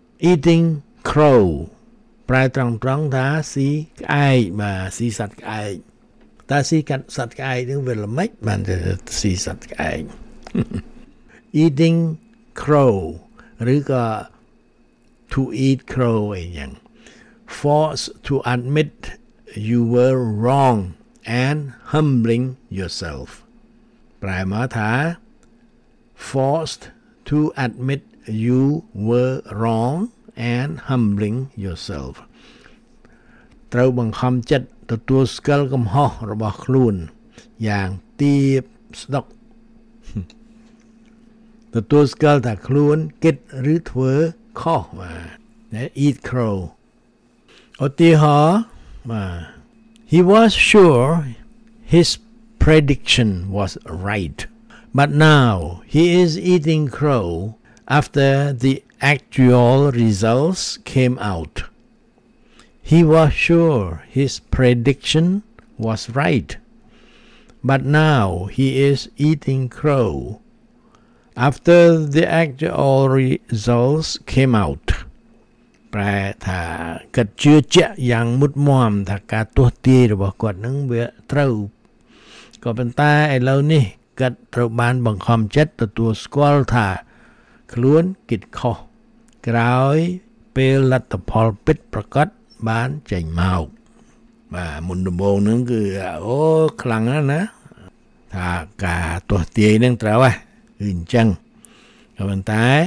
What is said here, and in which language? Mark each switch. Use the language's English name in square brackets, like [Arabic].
[Khmer] eating crow ប្រែត្រង់ៗថាស៊ីក្អែកបាទស៊ីសត្វក្អែកតើស៊ីសត្វក្អែកនឹងវាល្មិចបានទៅស៊ីសត្វក្អែក eating crow ឬក៏ [English] to eat crow [Khmer] អីចឹង [English] force to admitYou were wrong and humbling yourself. [Khmer] ប្រែមកថា [English] forced to admit you were wrong and humbling yourself. [Khmer] ត្រូវបង្ខំចិត្តទទួលស្គាល់កំហុសរបស់ខ្លួនយ៉ាងទាបស្ដុកទទួលស្គាល់ថាខ្លួនគិតឬធ្វើខុសបាទ eat crow. ឧទាហរណ៍ [English] He was sure his prediction was right, but now he is eating crow after the actual results came out. He was sure his prediction was right, but now he is eating crow after the actual results came out. [Khmer] ប្រែថាគិតជឿជាក់យ៉ាងមុតមមថាការទស្សន៍ទាយរបស់គាត់នឹងវាត្រូវក៏ប៉ុន្តែឥឡូវនេះគាត់ត្រូវបានបង្ខំចិត្តទទួលស្គាល់ថាខ្លួនគិតខុសក្រោយពេលលទ្ធផលពិតប្រកបបានចេញមកបាទមុនដំបូងហ្នឹងគឺអូខ្លាំងណាស់ថាការទស្សន៍ទាយនឹងត្រូវហ៎អញ្ចឹងក៏ប៉ុន្តែ